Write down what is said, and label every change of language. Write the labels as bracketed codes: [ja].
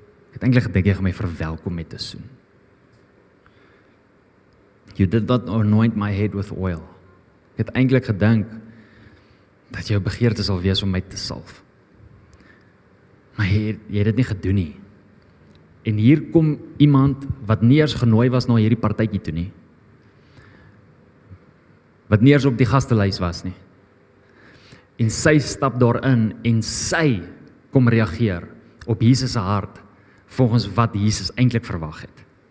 [af] Ek het eintlik gedink jy gaan my verwelkom met 'n soen. [en] You did not anoint my head with oil. [af] Ek het eintlik gedink dat jou begeerte sal wees om my te salf. Maar jy het dit nie gedoen nie. En hier kom iemand wat nie eers genooi was na hierdie partytjie toe nie. Wat nie eers op die gastelys was nie. En sy stap daarin en sy kom reageer op Jesus se hart volgens wat Jesus eintlik verwag het.